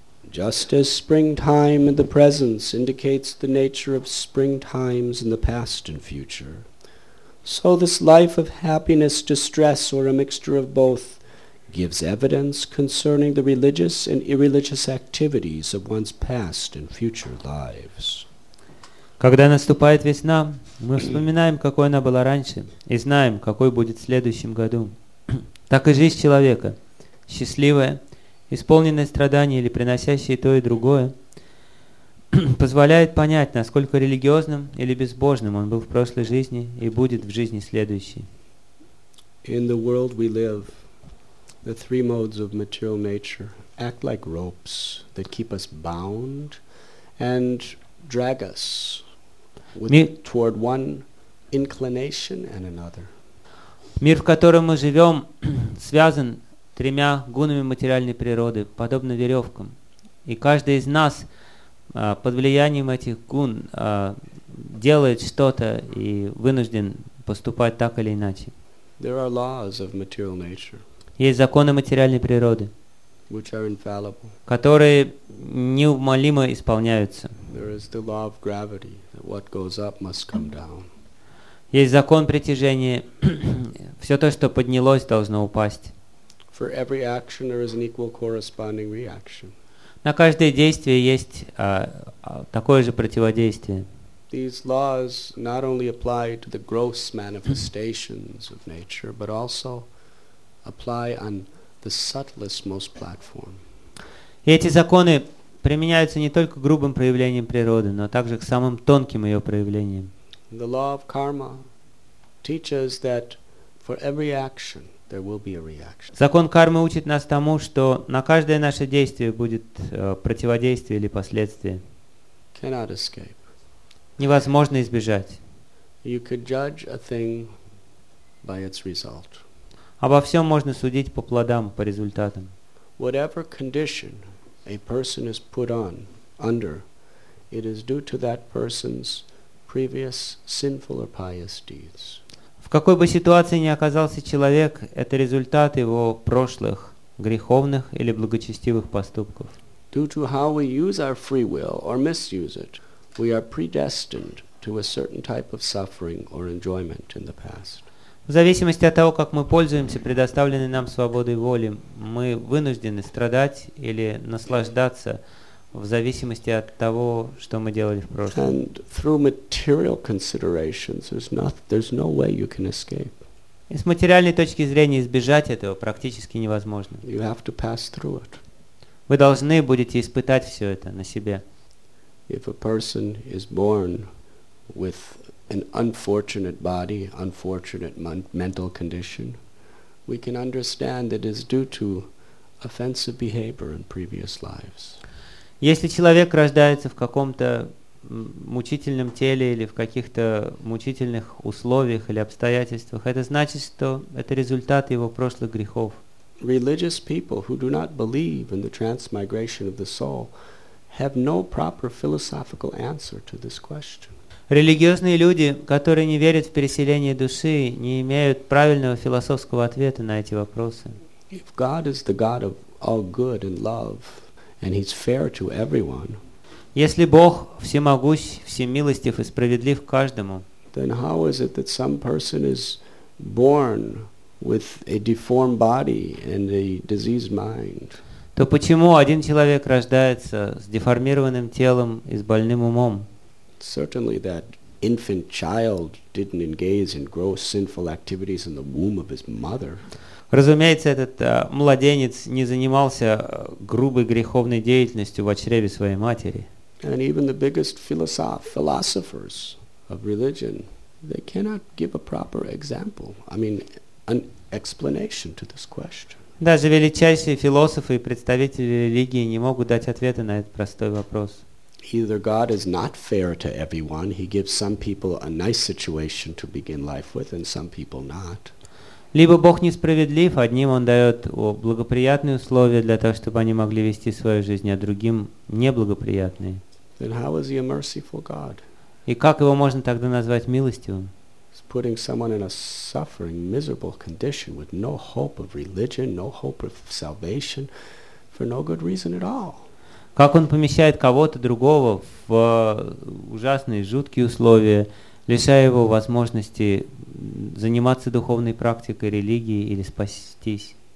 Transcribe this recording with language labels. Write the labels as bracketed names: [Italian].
[English] Just as springtime in the presence indicates the nature of springtimes in the past and future, so this life of happiness, distress, or a mixture of both gives evidence concerning the religious and irreligious activities of one's past and future lives. [Russian] Когда наступает весна, мы вспоминаем, какой она была раньше, и знаем, какой будет в следующем году. Так и жизнь человека, счастливая, исполненная страданий или приносящая то и другое, позволяет понять, насколько религиозным или безбожным он был в прошлой жизни и будет в жизни следующей. [English] In the world we live, the three modes of material nature act like ropes that keep us bound and drag us toward one inclination and another. [Russian] Мир, в котором мы живем, связан тремя гунами материальной природы, подобно веревкам. И каждый из нас под влиянием этих гун делает что-то и вынужден поступать так или иначе. [English] There are laws of material nature, [Russian] есть законы материальной природы, [English] which are infallible. [Russian] Которые неумолимо исполняются. [English] There is the law of gravity, that what goes up must come down. [Russian] Есть закон притяжения. Все то, что поднялось, должно упасть. [English] For every action, there is an equal corresponding reaction. [Russian] На каждое действие есть такое же противодействие. [English] These laws not only apply to the gross manifestations of nature, but also apply on the subtlest, most platform. [Russian] И эти законы применяются не только к грубым проявлениям природы, но также к самым тонким ее проявлениям. [English] The law of karma teaches that for every action there will be a reaction. [Russian] Закон кармы учит нас тому, что на каждое наше действие будет противодействие или последствие. [English] Cannot escape. [Russian] Невозможно избежать. [English] You could judge a thing by its result. [Russian] Обо всем можно судить по плодам, по результатам. [English] Whatever condition a person is put on under, it is due to that person's previous sinful or pious deeds. [Russian] В какой бы ситуации ни оказался человек, это результат его прошлых греховных или благочестивых поступков. [English] due to how we use our free will or misuse it, we are predestined to a certain type of suffering or enjoyment in the past. [Russian] В зависимости от того, как мы пользуемся предоставленной нам свободой воли, мы вынуждены страдать или наслаждаться в зависимости от того, что мы делали в прошлом. [English] And through material considerations, there's no way you can escape. [Russian] И с материальной точки зрения избежать этого практически невозможно. [English] You have to pass through it. [Russian] Вы должны будете испытать все это на себе. [English] If a person is born with an unfortunate body, unfortunate mental condition, we can understand that it is due to offensive behavior in previous lives. [Russian] Если человек рождается в каком-то мучительном теле или в каких-то мучительных условиях или обстоятельствах, это значит, что это результат его прошлых грехов. [English] Religious people who do not believe in the transmigration of the soul have no proper philosophical answer to this question. [Russian] Религиозные люди, которые не верят в переселение души, не имеют правильного философского ответа на эти вопросы. [English] If God is the God of all good and love, and He's fair to everyone, [Russian] если Бог всемогущ, всемилостив и справедлив к каждому, [English] then how is it that some person is born with a deformed body and a diseased mind? [Russian] То почему один человек рождается с деформированным телом и с больным умом? [English] Certainly that infant child didn't engage in gross sinful activities in the womb of his mother. [Russian] Разумеется, этот младенец не занимался грубой греховной деятельностью в чреве своей матери. [English] And even the biggest philosophers of religion, they cannot give a proper example. I mean, an explanation to this question. [Russian] Даже величайшие философы и представители религии не могут дать ответа на этот простой вопрос. [English] Either God is not fair to everyone, He gives some people a nice situation to begin life with and some people not. [Russian] Либо Бог несправедлив, одним Он дает благоприятные условия для того, чтобы они могли вести свою жизнь, а другим неблагоприятные. [English] Then how is He a merciful God? [Russian] И как Его можно тогда назвать милостивым? [English] He's putting someone in a suffering, miserable condition with no hope of religion, no hope of salvation, for no good reason at all. [Russian] Как он помещает кого-то другого в ужасные, жуткие условия, лишая его возможности заниматься духовной практикой, религией или спастись?